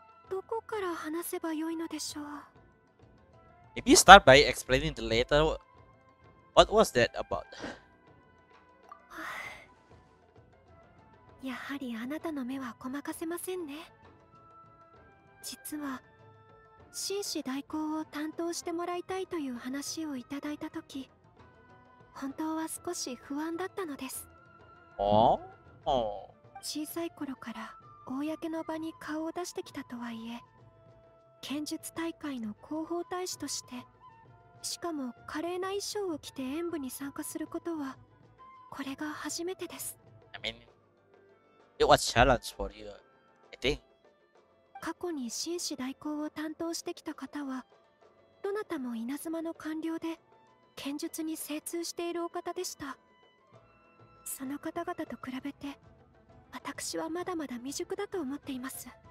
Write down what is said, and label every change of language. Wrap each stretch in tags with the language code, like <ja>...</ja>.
<ja>どこから話せばよいのでしょう。</ja> <en>If you start by explaining the letter, what was that about?</en> <ja>やはりあなたの目はごまかせませんね。実は紳士代行を担当してもらいたいという話をいただいたとき、本当は少し不安だったのです。小さい頃から公の場に顔を出してきたとはいえ、剣術大会の広報大使として、しかも華麗な衣装を着て演舞に参加することはこれが初めてです。</ja> <en>I mean, it was challenge for you, I think.</en> <ja>過去に紳士代行を担当してきた方はどなたも稲妻の官僚で剣術に精通しているお方でした。その方々と比べて私はまだまだ未熟だと思っています。</ja>